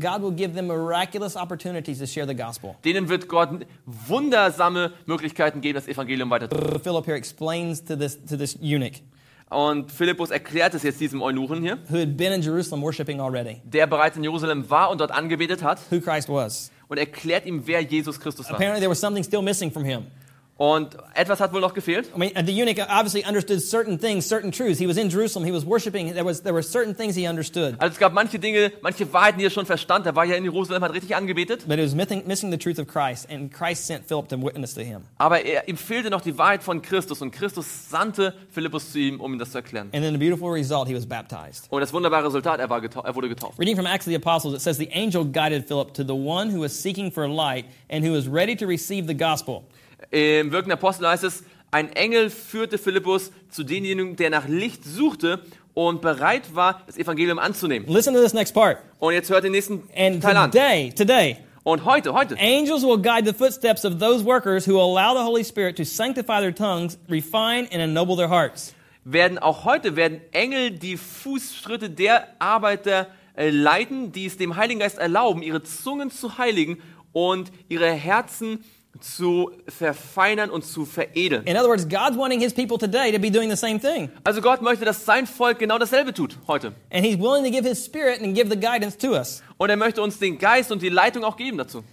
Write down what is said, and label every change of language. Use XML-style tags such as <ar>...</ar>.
<en>God will give them miraculous opportunities to share the gospel.</en> <de>Denen wird Gott wundersame Möglichkeiten geben, das Evangelium weiterzubringen.</de> <en>Philip here explains to this eunuch.</en> <de>Und Philippus erklärt es jetzt diesem Eunuchen hier,</de> <en>who had been in Jerusalem worshiping already,</en> <de>der bereits in Jerusalem war und dort angebetet hat,</de> <en>who Christ was.</en> <de>Und erklärt ihm, wer Jesus Christus war.</de> <en>Apparently there was something still missing from him.</en> <de>Und etwas hat wohl noch gefehlt.</de> <en>I mean, the eunuch obviously understood certain things, certain truths. He was in Jerusalem, he was worshiping, there were certain things he understood.</en> <de>Also es gab manche Dinge, manche Wahrheiten, die er schon verstand. Er war ja in Jerusalem, hat richtig angebetet.</de> <en>But he was missing the truth of Christ, and Christ sent Philip to witness to him.</en> <de>Aber ihm fehlte noch die Wahrheit von Christus, und Christus sandte Philippus zu ihm, um ihm das zu erklären.</de> <en>And then the beautiful result, he was baptized.</en> <de>Und das wunderbare Resultat, er wurde getauft.</de> <en>Reading from Acts of the Apostles, it says the angel guided Philip to the one who was seeking for light and who was ready to receive the gospel.</en> <de>Im Wirken der Apostel heißt es, ein Engel führte Philippus zu demjenigen, der nach Licht suchte und bereit war, das Evangelium anzunehmen.</de> <en>Listen to this next part.</en> <de>Und jetzt hört den nächsten</de> <en>and</en> <de>Teil</de> <en>today,</en> <de>an.</de> <en>Today,</en> <de>und heute.</de> <en>Angels will guide the footsteps of those workers who allow the Holy Spirit to sanctify their tongues, refine and ennoble their hearts.</en> <de>Werden auch heute werden Engel die Fußschritte der Arbeiter leiten, die es dem Heiligen Geist erlauben, ihre Zungen zu heiligen und ihre Herzen zu verfeinern und zu veredeln.</de> <en>In other words, God's wanting his people today to be doing the same thing.</en> <de>Also Gott möchte, dass sein Volk genau dasselbe tut heute.</de> <en>And he's willing to give his spirit and give the guidance to us.</en> <de>Und er möchte uns den Geist und die Leitung auch geben dazu.</de>